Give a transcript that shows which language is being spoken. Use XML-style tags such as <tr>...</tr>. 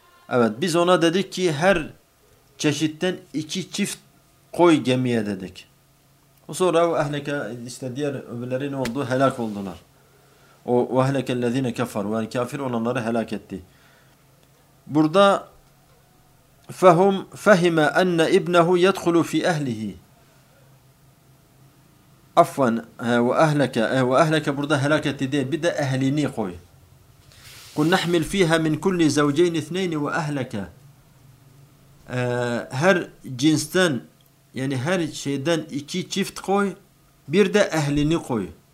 <tr>Evet, biz ona dedik ki her çeşitten iki çift koy gemiye dedik. O sonra وَأَهْلَكَ, işte diğer öbürleri ne oldu? Helak oldular. O</tr> <ar>وَأَهْلَكَ الَّذ۪ينَ كَفَرُ,</ar> <tr>yani kafir olanları helak etti.</tr> <ar>Burada فَهُمْ فَهِمَا أَنَّ اِبْنَهُ يَدْخُلُ فِي أَهْلِهِ</ar> <tr>affan ve ahlaka burada helak etti değil, bir de ehlini koy.</tr> <ar>Kul nahmil fiha min kulli zawjayn ithnayn wa ahlaka,</ar> <tr>her cinsten, yani her şeyden iki çift koy, bir de ehlini koy.</tr>